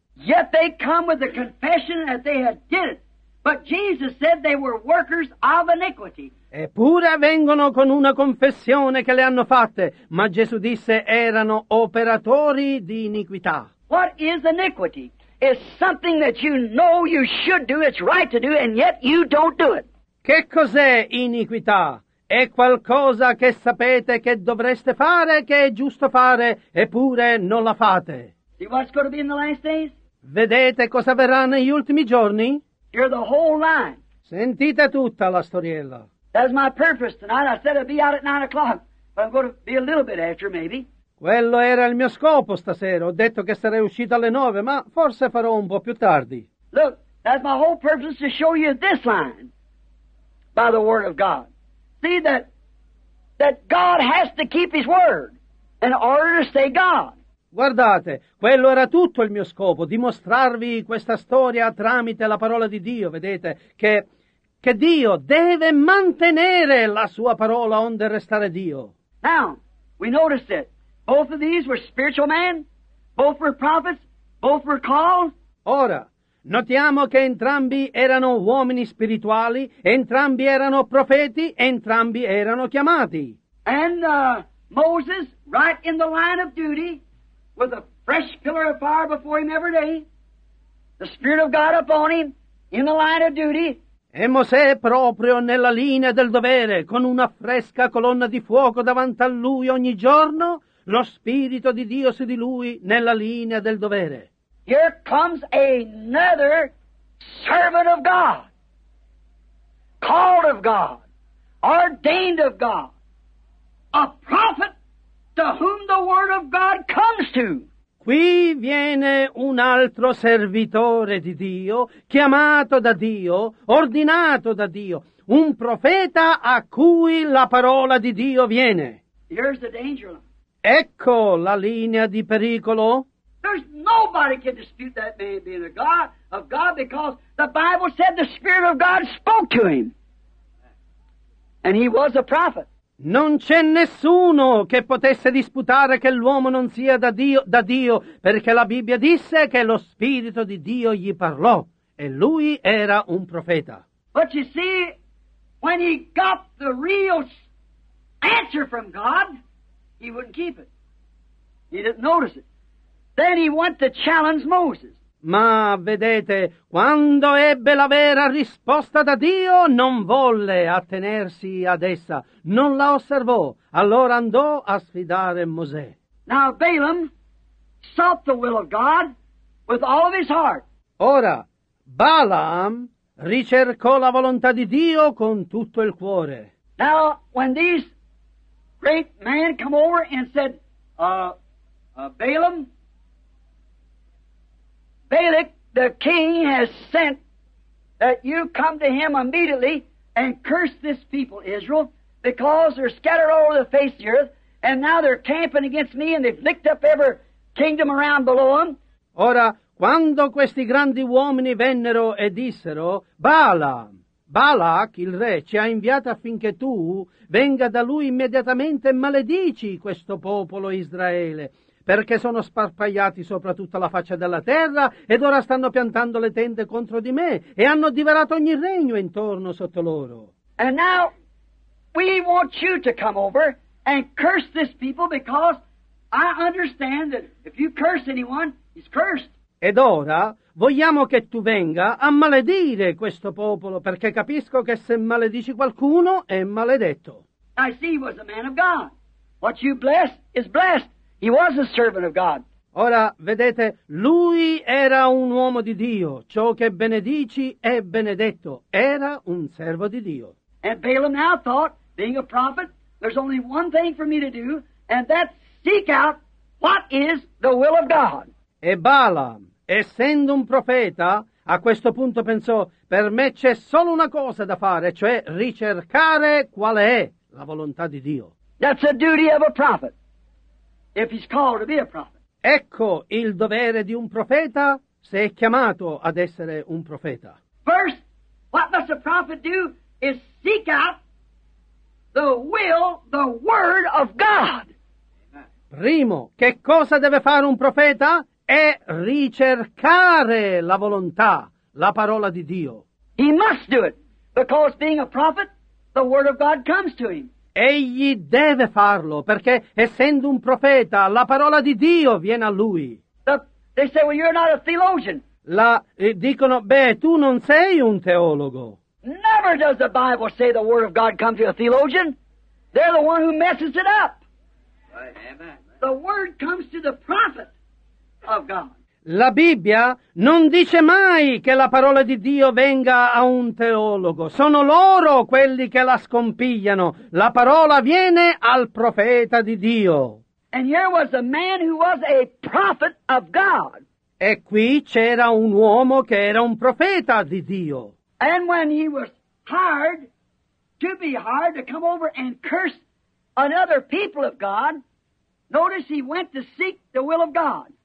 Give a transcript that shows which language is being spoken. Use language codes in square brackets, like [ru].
[en] Yet they come with the confession that they had did it, but Jesus said they were workers of iniquity. [it] Eppure vengono con una confessione che le hanno fatte, ma Gesù disse erano operatori di iniquità. [en] What is iniquity? It's something that you know you should do, it's right to do, and yet you don't do it. [it] Che cos'è iniquità? È qualcosa che sapete che dovreste fare, che è giusto fare, eppure non la fate. [en] See what's going to be in the last days? [it] Vedete cosa verrà negli ultimi giorni? [en] Hear the whole line. [it] Sentite tutta la storiella. [en] That's my purpose tonight. I said I'd be out at 9 o'clock, but I'm going to be a little bit after maybe. [it] Quello era il mio scopo stasera. Ho detto che sarei uscito alle 9, ma forse farò un po' più tardi. [en] Look, that's my whole purpose to show you this line. By the word of God. See that God has to keep his word in order to stay God. [it] Guardate, quello era tutto il mio scopo, dimostrarvi questa storia tramite la parola di Dio, vedete, che Dio deve mantenere la sua parola onde restare Dio. [en] Now, we noticed that both of these were spiritual men, both were prophets, both were called. [it] Ora, notiamo che entrambi erano uomini spirituali, entrambi erano profeti, entrambi erano chiamati. [en] And Moses, right in the line of duty, with a fresh pillar of fire before him every day, the Spirit of God upon him, in the line of duty. [it] E Mosè proprio nella linea del dovere, con una fresca colonna di fuoco davanti a lui ogni giorno, lo Spirito di Dio su di lui nella linea del dovere. [en] Here comes another servant of God, called of God, ordained of God, a prophet to whom the word of God comes to. [it] Qui viene un altro servitore di Dio, chiamato da Dio, ordinato da Dio, un profeta a cui la parola di Dio viene. [en] Here's the danger line. [it] Ecco la linea di pericolo. [en] There's nobody can dispute that man being a God of God because the Bible said the Spirit of God spoke to him. And he was a prophet. [it] Non c'è nessuno che potesse disputare che l'uomo non sia da Dio, perché la Bibbia disse che lo Spirito di Dio gli parlò e lui era un profeta. [en] But you see, when he got the real answer from God, he wouldn't keep it. He didn't notice it. Then he went to challenge Moses. [it] Ma vedete, quando ebbe la vera risposta da Dio, non volle attenersi ad essa. Non la osservò. Allora andò a sfidare Mosè. [en] Now Balaam sought the will of God with all of his heart. [it] Ora, Balaam ricercò la volontà di Dio con tutto il cuore. [en] Now, when this great man come over and said, Balaam, Balak, the king has sent that you come to him immediately and curse this people, Israel, because they're scattered all over the face of the earth, and now they're camping against me, and they've licked up every kingdom around below them. [it] Ora, quando questi grandi uomini vennero e dissero, Balak, il re, ci ha inviato affinché tu venga da lui immediatamente e maledici questo popolo Israele, perché sono sparpagliati sopra tutta la faccia della terra ed ora stanno piantando le tende contro di me e hanno divorato ogni regno intorno sotto loro. [en] And now we want you to come over and curse this people because I understand that if you curse anyone, he's cursed. [it] Ed ora vogliamo che tu venga a maledire questo popolo, perché capisco che se maledici qualcuno è maledetto. [en] I see he was a man of God. What you bless is blessed. He was a servant of God. [it] Ora, vedete, lui era un uomo di Dio. Ciò che benedici è benedetto. Era un servo di Dio. [en] And Balaam now thought, being a prophet, there's only one thing for me to do, and that's seek out what is the will of God. [it] E Balaam, essendo un profeta, a questo punto pensò, per me c'è solo una cosa da fare, cioè ricercare qual è la volontà di Dio. [en] That's the duty of a prophet, if he's called to be a prophet. [it] Ecco il dovere di un profeta, se è chiamato ad essere un profeta. [en] First, what must a prophet do is seek out the will, the word of God. [it] Primo, che cosa deve fare un profeta? È ricercare la volontà, la parola di Dio. [en] He must do it, because being a prophet, the word of God comes to him. [it] Egli deve farlo, perché essendo un profeta, la parola di Dio viene a lui. [en] They say, well, you're not a theologian. [it] Dicono, beh, tu non sei un teologo. [en] Never does the Bible say the word of God comes to a theologian. They're the one who messes it up. The word comes to the prophet. [it] La Bibbia non dice mai che la parola di Dio venga a un teologo. Sono loro quelli che la scompigliano. La parola viene al profeta di Dio. [en] And here was a man who was a prophet of God. [it] E qui c'era un uomo che era un profeta di Dio. [en] And when he was hired to be hired to come over and curse another people of God, notice he went to seek the will of God.